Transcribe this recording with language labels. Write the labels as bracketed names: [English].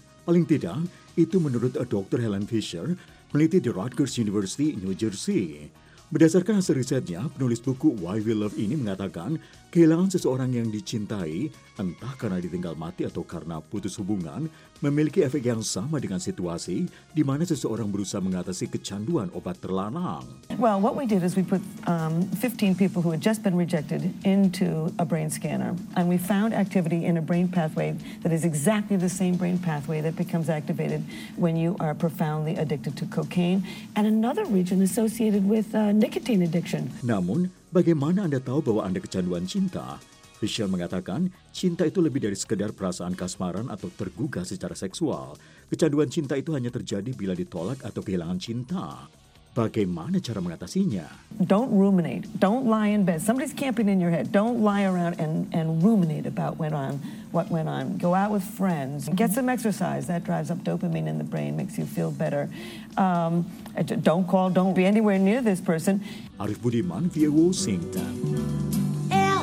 [Indonesian] Paling tidak, itu menurut Dr. Helen Fisher, peneliti di Rutgers University, New Jersey. Berdasarkan hasil risetnya, penulis buku Why We Love ini mengatakan kehilangan seseorang yang dicintai, entah karena ditinggal mati atau karena putus hubungan, memiliki efek yang sama dengan situasi di mana seseorang berusaha mengatasi kecanduan obat terlarang. [English] Well, what we did is we put 15 people who had just been rejected into a brain scanner, and we found activity in a brain pathway that is exactly the same brain pathway that becomes activated when you are profoundly addicted to cocaine, and another region associated with nicotine addiction. [Indonesian] Namun, bagaimana Anda tahu bahwa Anda kecanduan cinta? Fisher mengatakan, cinta itu lebih dari sekedar perasaan kasmaran atau tergugah secara seksual. Kecanduan cinta itu hanya terjadi bila ditolak atau kehilangan cinta. Bagaimana cara mengatasinya? [English] Don't ruminate. Don't lie in bed. Somebody's camping in your head. Don't lie around and ruminate about what went on. Go out with friends. Get some exercise. That drives up dopamine in the brain, makes you feel better. Don't call. Don't be anywhere near this person. [Indonesian] Arif Budiman, via Washington.